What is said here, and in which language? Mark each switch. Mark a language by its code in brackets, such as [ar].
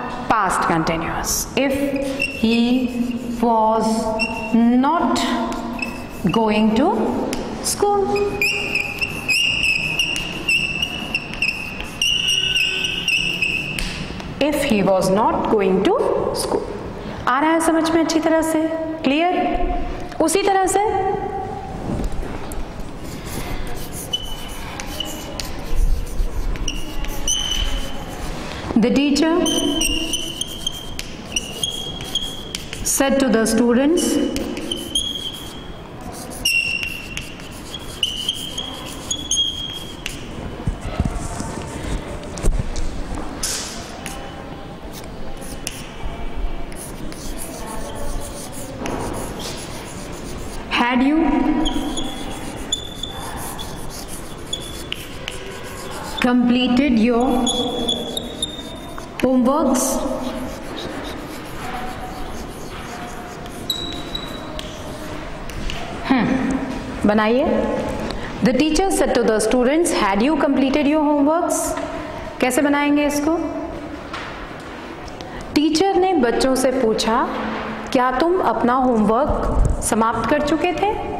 [en] Past continuous. If he was not going to school, if he was not going to school, [hi] आ रहा है समझ में अच्छी तरह से? [en] Clear. [hi] उसी तरह से [en] The teacher said to the students, "Had you completed your homeworks?" [hi] बनाइए। [en] The teacher said to the students, "Had you completed your homeworks?" [hi] कैसे बनाएंगे इसको? टीचर ने बच्चों से पूछा, क्या तुम अपना होमवर्क समाप्त कर चुके थे?